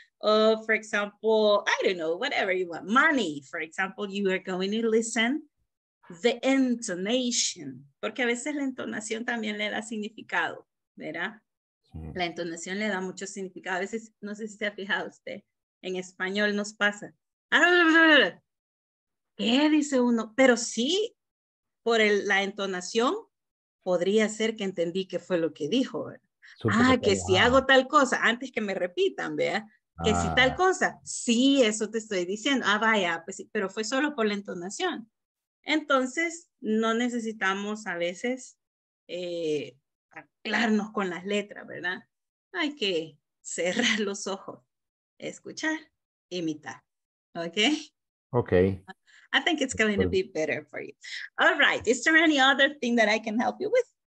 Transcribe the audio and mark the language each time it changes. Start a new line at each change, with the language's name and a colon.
English: Oh, for example, I don't know, whatever you want. Money, for example, you are going to listen the intonation.
Spanish: Porque a veces la entonación también le da significado, ¿verdad? Sí. La entonación le da mucho significado. A veces, no sé si se ha fijado usted, en español nos pasa. ¿Qué dice uno? Pero sí, por la entonación, podría ser que entendí qué fue lo que dijo. Si hago tal cosa, antes que me repitan, ¿verdad? Que si tal cosa, sí, eso te estoy diciendo. Ah, vaya, pues sí, pero fue solo por la entonación. Entonces, no necesitamos a veces anclarnos con las letras, ¿verdad? Hay que cerrar los ojos, escuchar, imitar. ¿Ok? Ok.
English: I think it's going to be better for you. All right. Is there any other thing that I can help you with?